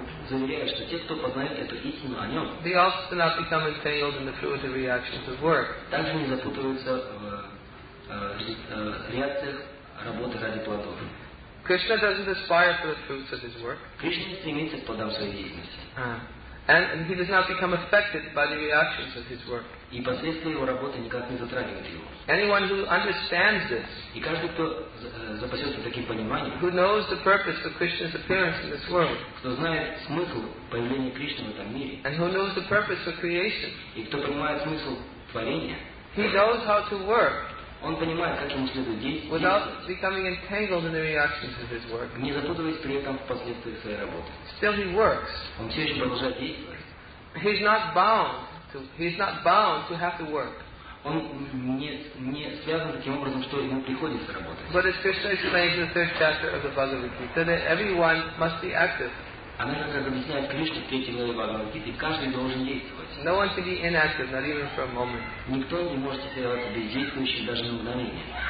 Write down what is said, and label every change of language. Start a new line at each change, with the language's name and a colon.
Russian: заверяют, что те, кто познает эту истину о нем,
English: they also do not become entangled in the fruits of reactions of work.
Russian: Также не запутываются в реакциях работы ради плодов.
English: Krishna doesn't aspire for the fruits of his work.
Russian: Krishna стремится к плодам своей деятельности.
English: And he does not become affected by the reactions of his work.
Russian: И последствия его работы никак не затрагивают его.
English: Anyone who understands this,
Russian: и каждый, кто запасется таким пониманием,
English: who knows the purpose of Krishna's appearance in this world,
Russian: кто знает смысл появления Кришны в этом мире,
English: and who knows the purpose of creation,
Russian: и кто понимает смысл творения,
English: he knows how to work.
Russian: Он понимает, как ему следует действовать.
English: Without becoming entangled in the reactions of his work.
Russian: Не запутываясь при этом в последствиях своей работы.
English: Still he works.
Russian: Он все еще продолжает действовать.
English: He's not bound to have to work.
Russian: Он не связан таким образом, что ему приходится работать.
English: But as Krishna explains in the third chapter of the Bhagavad Gita, that everyone must be active.
Russian: Она же как объясняет Кришне в третьей главе Бхагавад Гиты, каждый должен действовать.
English: No one can be inactive, not even for a moment.
Russian: Никто не может оставаться бездействующим даже на мгновение.